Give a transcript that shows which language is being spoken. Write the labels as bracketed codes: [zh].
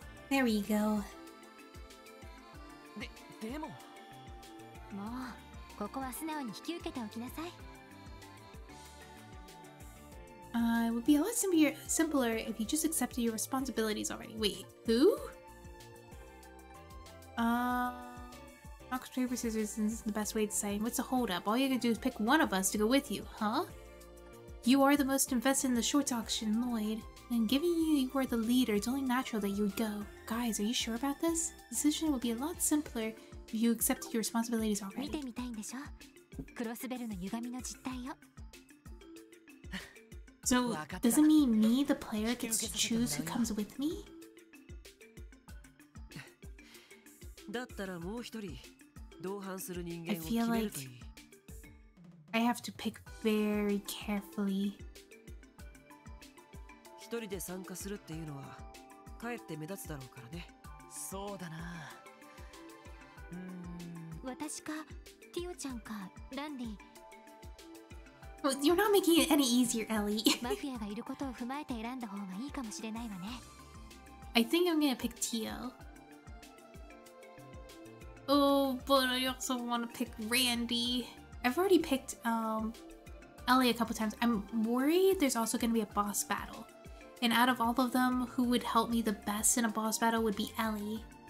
[en] There we go. [ja] でも。もう、ここは素直に引き受けておきなさい。 [en] It would be a lot simpler if you just accepted your responsibilities already. Wait, who? Rock, paper, scissors isn't the best way to say. What's a holdup? All you gotta do is pick one of us to go with you, huh? You are the most invested in the shorts auction, Lloyd. And given you are the leader, it's only natural that you would go. Guys, are you sure about this? The decision would be a lot simpler if you accepted your responsibilities already. [ja] 見てみたいんでしょ? クロスベルの歪みの実態を。 [en] So, does it mean me, the player, gets to choose who comes with me? [ja] だったらもう一人同伴する人間を決めるといい。 [en] I feel like I have to pick very carefully. [ja] 一人で参加するっていうのはかえって目立つだろうからね。そうだな。私かティオちゃんかランディ。 [en] Well, you're not making it any easier, Ellie. [ja] マフィアがいることを踏まえて選んだ方がいいかもしれないわね。 [en] I think I'm gonna pick Tio. Oh, but I also want to pick Randy. I've already picked Ellie a couple times. I'm worried there's also going to be a boss battle. And out of all of them, who would help me the best in a boss battle would be Ellie.